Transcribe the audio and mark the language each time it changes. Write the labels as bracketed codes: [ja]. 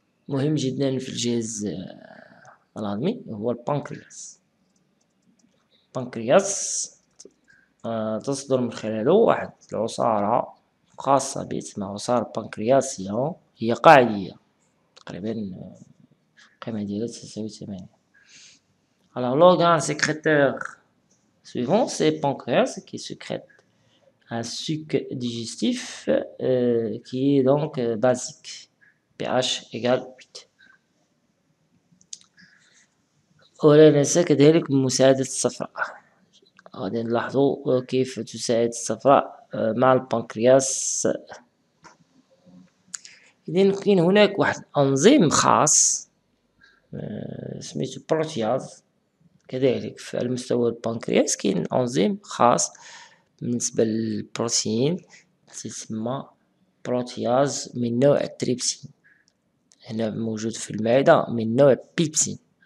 [ar] مهم جدا في الجهاز الهضمي هو البنكرياس. البنكرياس تصدر من خلاله واحد العصارة خاصة باسم عصارة بنكرياسية، هي قاعدية تقريبا قيمة ديالها 9.8. [fr] Alors l'organe sécréteur suivant c'est pancréas qui sécrète un suc digestif qui est donc basique pH égale 8. [ar] ولا ننسى كذلك مساعدة الصفراء، غادي نلاحظوا كيف تساعد الصفراء مع البنكرياس. إذن كاين هناك واحد أنزيم خاص سميتو بروتياز، كذلك في المستوى البنكرياس كاين أنزيم خاص بالنسبة للبروتين تسمى بروتياز من نوع التريبسين، هنا موجود في المعدة من نوع بيبسين.